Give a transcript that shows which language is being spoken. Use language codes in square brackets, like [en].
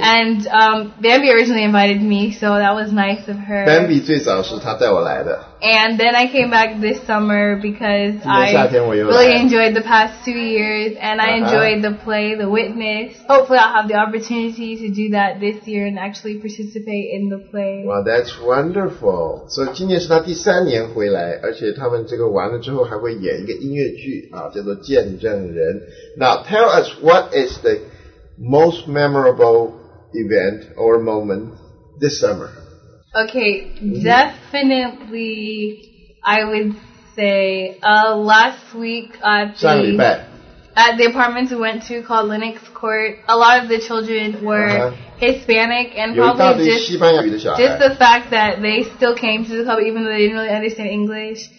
[en] And Bambi originally invited me, so that was nice of her. [zh] Bambi 最早是她带我来的。 [en] And then I came back this summer because I really enjoyed the past 2 years and I enjoyed the play, the witness. Hopefully I'll have the opportunity to do that this year and actually participate in the play. Wow, that's wonderful. [zh] So 今年是他第三年回来，而且他们这个完了之后还会演一个音乐剧啊，叫做《见证人》。 [en] Now tell us what is the most memorable event or moment this summer? Okay, definitely, I would say, last week at the apartments we went to called Linux Court, a lot of the children were Hispanic and probably just the fact that they still came to the club even though they didn't really understand English.